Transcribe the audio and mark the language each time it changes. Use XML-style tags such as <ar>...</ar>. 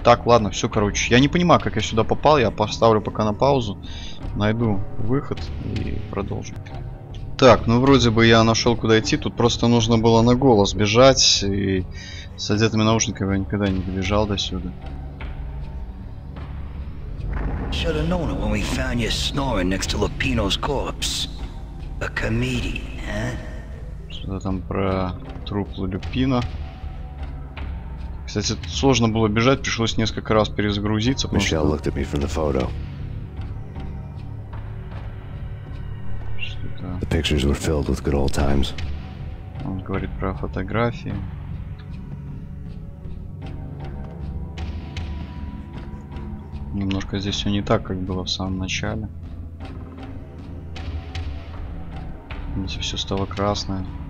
<ru>Так, ладно, все, короче. Я не понимаю, как я сюда попал. Я поставлю пока на паузу. Найду выход и продолжу. Так, ну вроде бы я нашел, куда идти. Тут просто нужно было на голос бежать. И с одетыми наушниками я никогда не добежал до сюда.</ru> <en>Should have known it when we found you snoring next to Lupino's corpse. A comedian, huh?</en> <ru>Что-то там про труп Лупино. Кстати, сложно было бежать, пришлось несколько раз перезагрузиться.</ru> <en>Michelle looked at me from the photo.</en> <ru>Что-то...</ru> <en>The pictures were filled with good old times.</en> <ru>Он говорит про фотографии. Немножко здесь все не так, как было в самом начале. Здесь все стало красное.</ru>